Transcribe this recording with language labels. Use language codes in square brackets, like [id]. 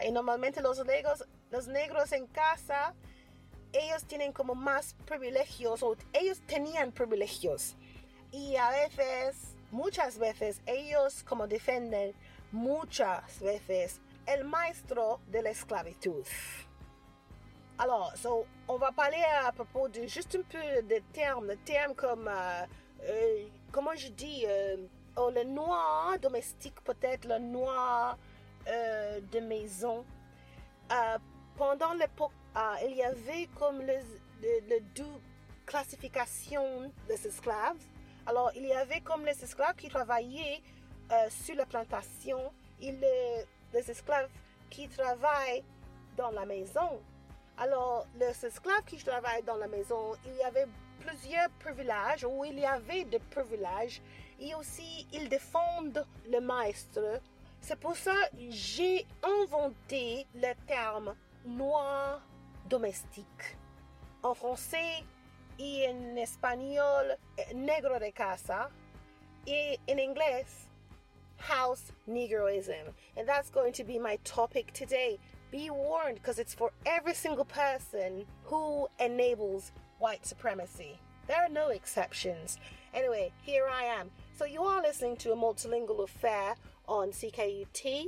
[es] Y normalmente los negros en casa, ellos tienen como más privilegios, o ellos tenían privilegios. Y a veces, muchas veces, ellos como defienden muchas veces el maestro de la esclavitud. [fr] Alors, so, on va parler à propos de juste un peu de termes comme, comment je dis, le noir domestique peut-être, le noir de maison. Pendant l'époque, il y avait comme les deux classifications des esclaves. Alors, il y avait comme les esclaves qui travaillaient sur la plantation et les esclaves qui travaillent dans la maison. Alors, les esclaves qui travaillent dans la maison, il y avait plusieurs privilèges, ou il y avait des privilèges, et aussi, ils défendent le maître. C'est pour ça que j'ai inventé le terme « noir domestique ». En français, [es] y en español, negro de casa. Y en inglés, house negroism. [en] And that's going to be my topic today. Be warned, because it's for every single person who enables white supremacy. There are no exceptions. Anyway, here I am. So you are listening to A Multilingual Affair on CKUT.